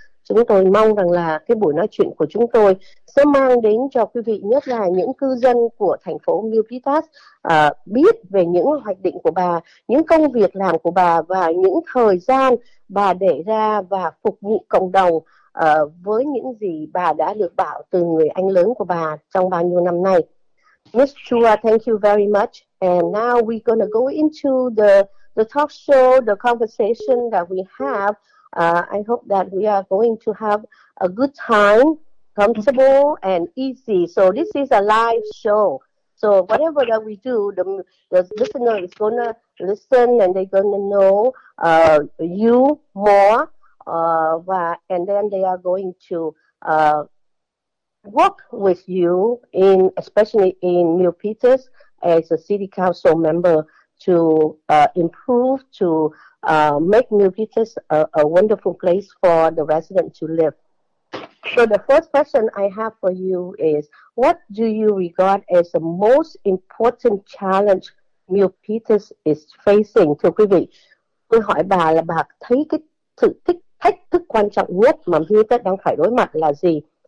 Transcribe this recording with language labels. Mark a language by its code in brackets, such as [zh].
[vi] Chúng tôi mong rằng là cái buổi nói chuyện của chúng tôi sẽ mang đến cho quý vị, nhất là những cư dân của thành phố Milpitas, biết về những hoạch định của bà, những công việc làm của bà và những thời gian bà để ra và phục vụ cộng đồng với những gì bà đã được bảo từ người anh lớn của bà trong bao nhiêu năm nay. [en] Miss Chua, thank you very much. And now we're going to go into the talk show, the conversation that we have. I hope that we are going to have a good time, comfortable and easy. So this is a live show. So whatever that we do, the listener is going to listen and they're going to know you more. And then they are going to work with you, in especially in Milpitas as a city council member, to improve, to make Milpitas a wonderful place for the resident to live. So the first question I have for you is, what do you regard as the most important challenge Milpitas is facing? [vi] Thưa quý vị, tôi hỏi bà là bà thấy cái thách thức quan trọng nhất mà Milpitas đang phải đối mặt là gì?